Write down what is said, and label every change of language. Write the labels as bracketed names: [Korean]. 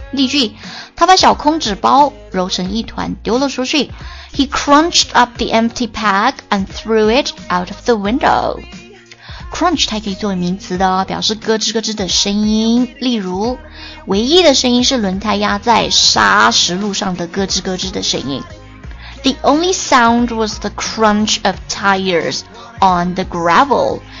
[Chinese] 例句，他把小空纸包揉成一团丢了出去。 [English] He crunched up the empty pack and threw it out of the window. [Chinese] Crunch 它可以作为名词的，表示咯吱咯吱的声音。例如，唯一的声音是轮胎压在砂石路上的咯吱咯吱的声音。 [English] The only sound was the crunch of tires on the gravel.